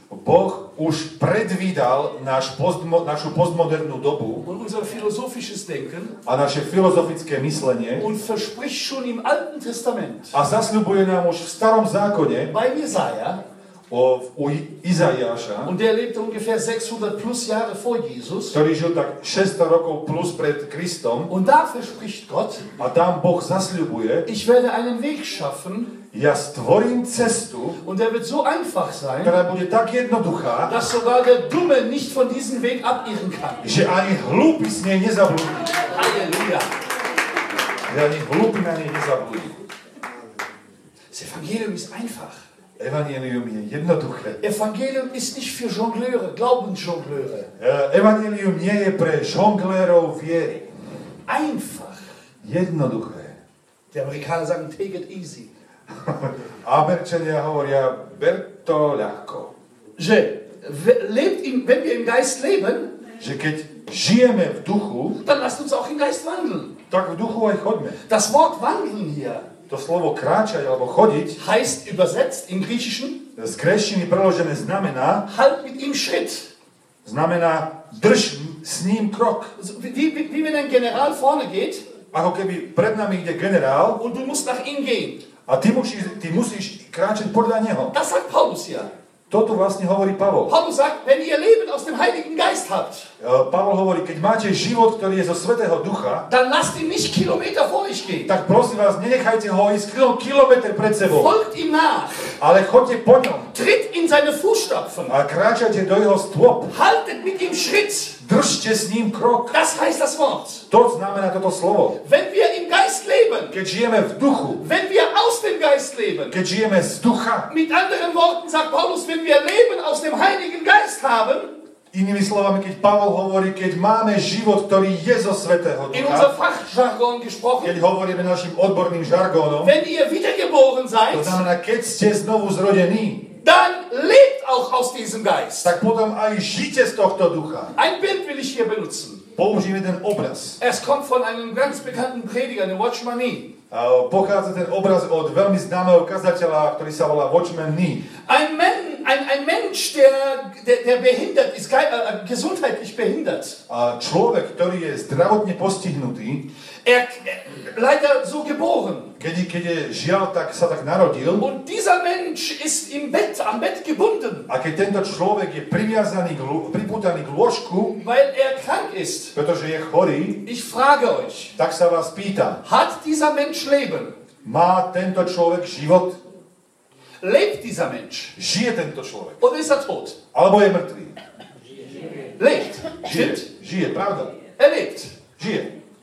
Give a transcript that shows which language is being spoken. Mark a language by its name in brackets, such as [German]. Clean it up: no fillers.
[Slovak] Boh už predvídal našu postmodernú dobu. [German] Und unser philosophisches Denken. [Slovak] A naše filozofické myslenie. [German] Und verspricht schon im Alten Testament. [Slovak] A zasľubuje nám už v starom zákone. [German] Bei Jesaja. [Slovak] U Izaiáša. [German] Und der lebte ungefähr 600 plus Jahre vor Jesus. [Slovak] Ktorý žil tak 600 rokov plus pred Kristom. [German] Und da verspricht Gott. [Slovak] A tam Boh zasľubuje. [German] Ich werde einen Weg schaffen. [Slovak] Ja stvorím cestu. [German] Und er wird so einfach sein. [Slovak] Ktorá bude tak jednoduchá. [German] Dass sogar der Dumme nicht von diesem Weg abirren kann. [Slovak] Že ani hlúpy s nej nezabludí. Halleluja. Že ani hlúpy na nej nezabludí. [German] Das Evangelium ist einfach. [Slovak] Evangelium je jednoduché. [German] Evangelium ist nicht für Jongleure, Glaubensjongleure. [Slovak] Evangelium nie je pre žonglérov viery. [German] Einfach. [Slovak] Jednoduché. [German] Die Amerikaner sagen, [English] take it easy. [Slovak] Američania hovoria, ber to ľahko. [German] Že lebt im, wenn wir im Geist leben, [Slovak] že keď žijeme v duchu, [German] dann lasst uns auch im Geist wandeln. [Slovak] Tak v duchu aj chodme. [German] Das Wort wandeln hier, [Slovak] to slovo kráčať alebo chodiť, [German] heißt übersetzt im Griechischen, [Slovak] z gréčtiny preložené znamená, [German] halt mit ihm Schritt, [Slovak] znamená drž s ním krok. [German] Wie wenn ein General vorne geht, [Slovak] ako keby pred nami ide generál, [German] und du musst nach ihm gehen, [Slovak] a ty musíš kráčať podľa neho. [German] Das sagt Paulus hier. [Slovak] Toto vlastne hovorí Pavol. [German] Paulus sagt, wenn ihr Leben aus dem Heiligen Geist habt, [Slovak] Pavol hovorí, keď máte život, ktorý je zo Svätého Ducha, [German] dann lasst ihn nicht Kilometer vor euch gehen. [Slovak] Tak prosím vás, nenechajte ho ísť kilometer pred sebou. [German] Folgt ihm nach. [Slovak] Ale choďte po ňom. [German] Tritt in seine Fußstapfen. [Slovak] A kráčajte do jeho stôp. [German] Haltet mit ihm Schritt. [Slovak] Držte s ním krok. [German] Das heißt das Wort. [Slovak] To znamená toto slovo. [German] Wenn wir im Geist leben, [Slovak] keď žijeme v duchu. [German] Wenn wir aus dem Geist leben, [Slovak] keď žijeme z ducha. [German] Mit anderen Worten sagt Paulus, wenn wir Leben aus dem Heiligen Geist haben, [Slovak] inými slovami, keď Pavol hovorí, keď máme život, ktorý je zo Svätého Ducha, [German] in unser Fachjargon gesprochen, [Slovak] keď hovoríme našim odborným žargónom, [German] wenn ihr wiedergeboren seid, [Slovak] to znamená, keď ste znovu zrodení, [German] dann lebt auch aus diesem Geist. [Slovak] Tak potom aj žite z tohto ducha. [German] Ein Bild will ich hier benutzen. [Slovak] Použijeme ten obraz. [German] Es kommt von einem ganz bekannten Prediger, dem Watchman Nee. [Slovak] Pochádza ten obraz od veľmi známeho kazateľa, ktorý sa volá Watchman Nee. [German] Ein Mensch, der behindert ist, gesundheitlich behindert. [Slovak] Človek, ktorý je zdravotne postihnutý, [German] leider so geboren. [Slovak] Keď je žiaľ, tak sa tak narodil. [German] Und dieser Mensch ist im Bett, am Bett gebunden. [Slovak] A keď tento človek je pripútaný k lôžku, [German] weil krank ist. [Slovak] Pretože je chorý. [German] Ich frage euch. [Slovak] Tak sa vás pýtam. [German] Hat dieser Mensch Leben? [Slovak] Má tento človek život? [German] Lebt dieser Mensch? [Slovak] Žije tento človek? [German] Oder ist tot? [Slovak] Alebo je mŕtvy? [German] Lebt. [Slovak] Žije, pravda. [German] Lebt. [Slovak] Žije.